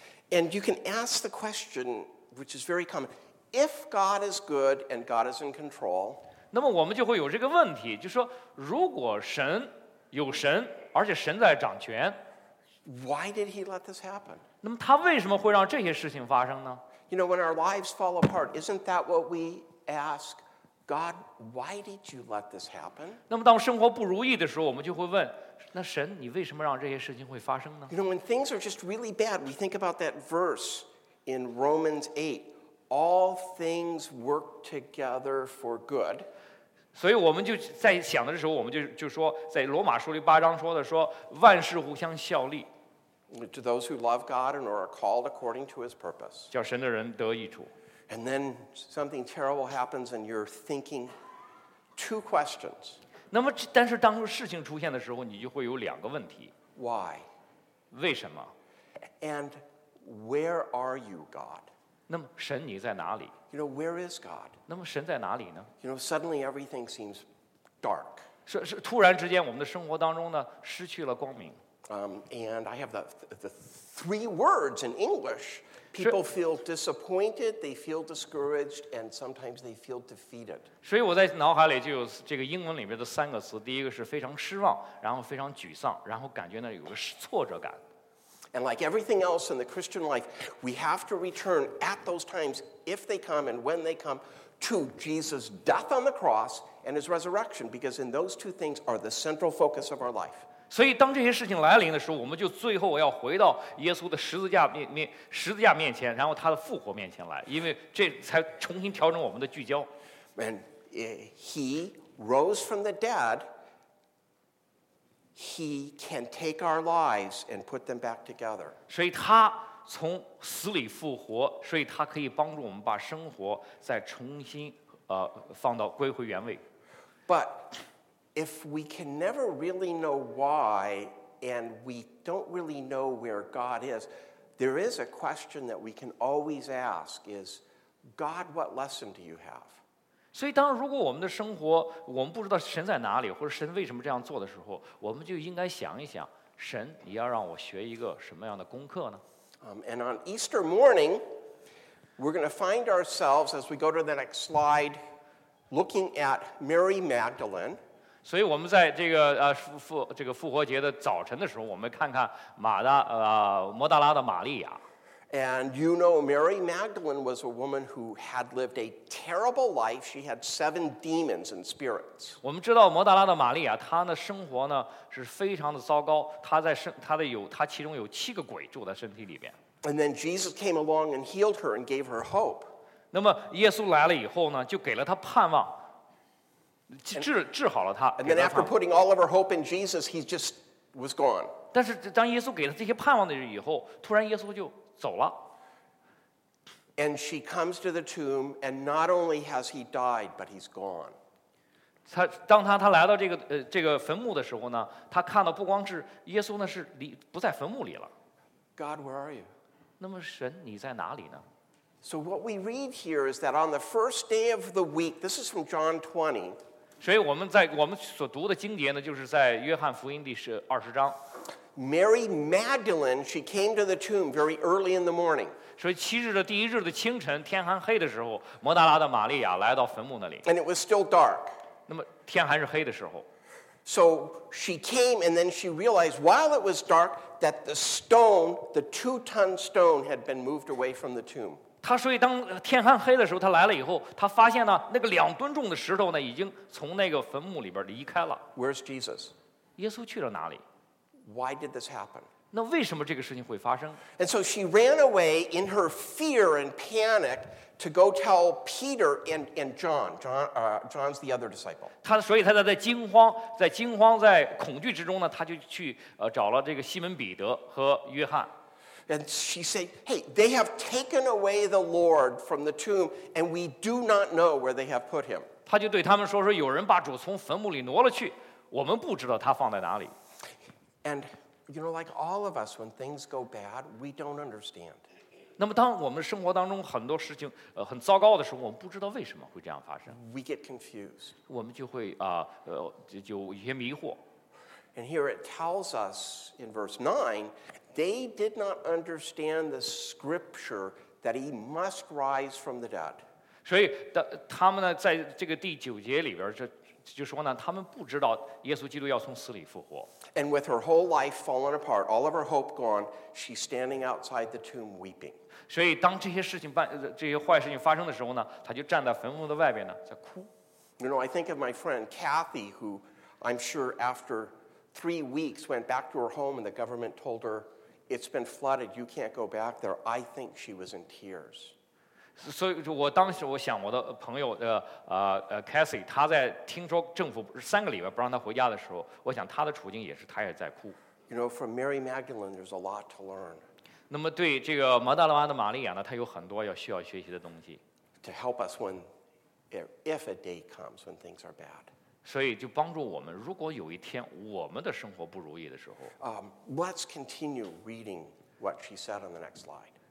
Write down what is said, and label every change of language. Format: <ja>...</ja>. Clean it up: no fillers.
<en>And you can ask the question, which is very common, if God is good and God is in control.</en> <zh>那么我们就会有这个问题，就说如果神有神，而且神在掌权</zh> <en>，Why did He let this happen?</en> <zh>那么他为什么会让这些事情发生呢？</zh> <en>You know, when our lives fall apart, isn't that what we ask God? Why did you let this happen?</en> <zh>那么当生活不如意的时候，我们就会问：那神，你为什么让这些事情会发生呢</zh> <en>？You know, when things are just really bad, we think about that verse in Romans 8: "All things work together for good."</en> <zh>所以我们就在想的时候，我们就说，在罗马书第八章说的，说万事互相效力。</zh> <en>To those who love God and are called according to His purpose.</en> <zh>叫神的人得益处。</zh> <en>And then something terrible happens, and you're thinking two questions.</en> <zh>那么，但是当事情出现的时候，你就会有两个问题。</zh> <en>Why?</en> <zh>为什么</zh> <en>？And where are you, God?</en> <zh>那么神你在哪里</zh> <en>？You know where is God?</en> <zh>那么神在哪里呢</zh> <en>？You know suddenly everything seems dark.</en> <zh>是突然之间，我们的生活当中呢失去了光明。</zh> <en>And I have the three words in English. People feel disappointed, they feel discouraged, and sometimes they feel defeated.</en> <zh>所以我在脑海里就有这个英文里面的三个词。第一个是非常失望，然后非常沮丧，然后感觉呢有个挫折感。</zh> <en>And like everything else in the Christian life, we have to return at those times, if they come and when they come, to Jesus' death on the cross and His resurrection, because in those two things are the central focus of our life.</en> <zh>所以当这些事情来临的时候，我们就最后要回到耶稣的十字架面前，然后他的复活面前来，因为这才重新调整我们的聚焦。</zh> <en>And he rose from the dead, he can take our lives and put them back together.</en> <zh>所以他从死里复活，所以他可以帮助我们把生活再重新放到归回原位。</zh> <en>But if we can never really know why, and we don't really know where God is, there is a question that we can always ask: Is God, what lesson do you have?</en> <zh>所以，当如果我们的生活我们不知道神在哪里，或者神为什么这样做的时候，我们就应该想一想：神，你要让我学一个什么样的功课呢？</zh> <en>And on Easter morning, we're going to find ourselves as we go to the next slide, looking at Mary Magdalene.</en> <zh>所以我们在这个复活节的早晨的时候，我们看看摩大拉的玛利亚。</zh> <en>And you know, Mary Magdalene was a woman who had lived a terrible life. She had seven demons and spirits.</en> <zh>我们知道摩大拉的玛利亚，她的生活呢是非常的糟糕。她其中有七个鬼住在身体里边。</zh> <en>And then Jesus came along and healed her and gave her hope.</en> <zh>那么耶稣来了以后呢，就给了她盼望。治好了他</zh> <en>and then after putting all of her hope in Jesus, he just was gone.</en> <zh>但是当耶稣给了这些盼望的以后，突然耶稣就走了。</zh> <en>And she comes to the tomb, and not only has he died, but he's gone.</en> <zh>当他来到这个坟墓的时候呢，他看到不光是耶稣呢是不在坟墓里了。</zh> <en>God, where are you?</en> <zh>那么神你在哪里呢？</zh> <en>So what we read here is that on the first day of the week, this is from John 20.</en> <zh>所以我们所读的经节呢，就是在约翰福音第20章。</zh> <en>Mary Magdalene, she came to the tomb very early in the morning.</en> <zh>所以七日的第一日的清晨，天还黑的时候，摩大拉的玛利亚来到坟墓那里。</zh> <en>And it was still dark.</en> <zh>那么天还是黑的时候。</zh> <en>So she came, and then she realized while it was dark that the stone, the 2-ton stone, had been moved away from the tomb.</en> <zh>他所以当天还黑的时候，他来了以后，他发现呢，那个2吨重的石头呢，已经从那个坟墓里边离开了。</zh> <en>Where's Jesus?</en> <zh>耶稣去了哪里</zh> <en>？Why did this happen?</en> <zh>那为什么这个事情会发生？</zh> <en>And so she ran away in her fear and panic to go tell Peter and John. John's the other disciple.</en> <zh>她所以她在惊慌，在惊慌，在恐惧之中呢，她就去找了这个西门彼得和约翰。</zh> <en>And she said, "Hey, they have taken away the Lord from the tomb, and we do not know where they have put him."</en> <zh>她就对他们说说，有人把主从坟墓里挪了去，我们不知道他放在哪里。</zh> <en>And you know, like all of us, when things go bad, we don't understand.</en> <zh>那么当我们生活当中很多事情很糟糕的时候，我们不知道为什么会这样发生。</zh> <en>We get confused.</en> <zh>我们就会就有一些迷惑。</zh> <en>And here it tells us in verse 9, they did not understand the scripture that he must rise from the dead.</en> <zh>所以他们呢，在这个第九节里边是。就说呢，他们不知道耶稣基督要从死里复活。</zh> <en>And with her whole life fallen apart, all of her hope gone, she's standing outside the tomb weeping.</en> <zh>所以当这些坏事情发生的时候呢，她就站在坟墓的外边呢，在哭。</zh> <en>You know, I think of my friend Kathy, who I'm sure after 3 weeks went back to her home and the government told her, it's been flooded, you can't go back there. I think she was in tears.</en> <zh>所以我当时我想我的朋友Cathy 他在听说政府三个礼拜不让他回家的时候我想他的处境也是他也在哭</zh> <en>You know, from Mary Magdalene there's a lot to learn</en> <zh>那么对这个摩大拉玛的玛利亚呢他有很多要需要学习的东西</zh> <en>To help us when if a day comes when things are bad</en> <zh>所以就帮助我们如果有一天我们的生活不如意的时候</zh> <en>Let's continue reading what she said on the next slide</en>